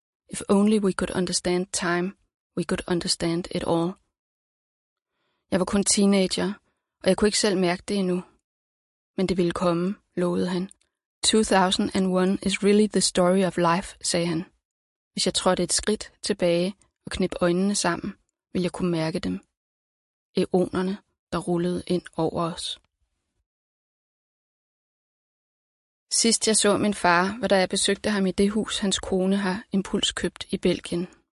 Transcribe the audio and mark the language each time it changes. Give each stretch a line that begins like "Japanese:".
English: If only we could understand time, we could understand it all.
Danish: Jeg var kun teenager, og jeg kunne ikke selv mærke det endnu. Men det ville komme, lovede han.
English: 2001 is really the story of life,
Danish: sagde han. Hvis jeg trådte et skridt tilbage og knep øjnene sammen, ville jeg kunne mærke dem. Æonerne, der rullede ind over os. Sidst jeg så min far, var da jeg besøgte ham i det hus, hans kone har impulskøbt i Belgien.